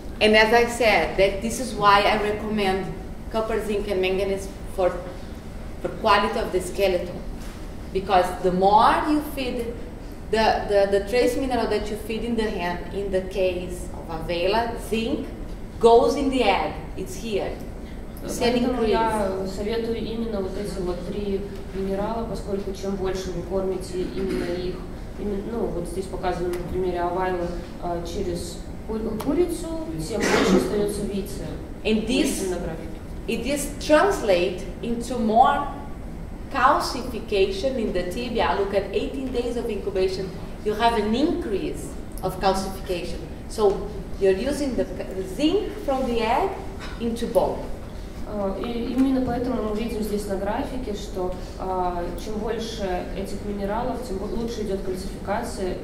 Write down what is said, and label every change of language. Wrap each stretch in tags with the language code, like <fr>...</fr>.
<en>And as I said, that this is why I recommend copper, zinc and manganese for quality of the skeleton. Because the more you feed the trace mineral that you feed in the hand, in the case of Avela, zinc goes in the egg. It's here.</en> <ru>Поэтому я советую именно вот эти вот три минерала, поскольку чем больше вы кормите именно их, ну, вот здесь показано на примере овала через курицу, тем больше остается яйца.</ru> <en>And this, it is translate into more calcification in the tibia. Look at 18 days of incubation, you have an increase of calcification. So you're using the zinc from the egg into bone.</en> <ru>И именно поэтому мы видим здесь на графике, что чем больше этих минералов, тем лучше идет кальцификация.</ru>